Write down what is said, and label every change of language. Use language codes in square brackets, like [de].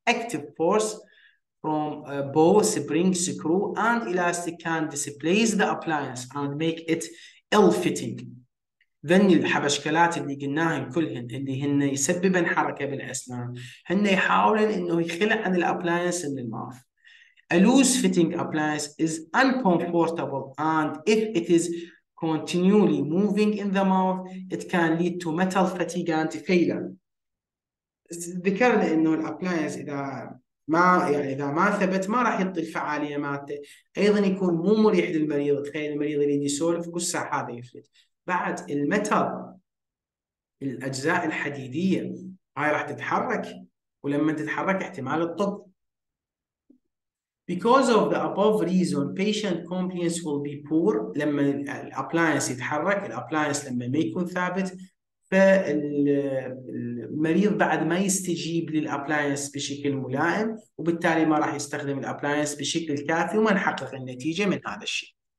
[en] Active force from both spring screw and elastic can displace the appliance and make it ill-fitting. [ar] ذن الحبشكلات اللي قلناهن كلهن اللي هن يسببن حركة بالأسنان هن يحاولن إنه يخلع عن الأبلاينس من الماف. [en] A loose fitting appliance is uncomfortable and if it is continually moving in the mouth, it can lead to metal fatigue and failure. [ar] ذكرنا إنه الأبلاينس إذا ما يعني إذا ما ثبت ما راح يعطي الفعالية مالته، أيضا يكون مو مريح للمريض. تخيل المريض اللي يسولف قصة هذا يفلت. بعد المتر الأجزاء الحديدية هاي راح تتحرك، ولما تتحرك احتمال الطب. [en] Because of the above reason, patient compliance will be poor. [ar] لما الأبلاينس يتحرك، الأبلاينس لما ما يكون ثابت، فالمريض بعد ما يستجيب للأبلاينس بشكل ملائم، وبالتالي ما راح يستخدم الأبلاينس بشكل كافي، وما نحقق النتيجة من هذا الشيء.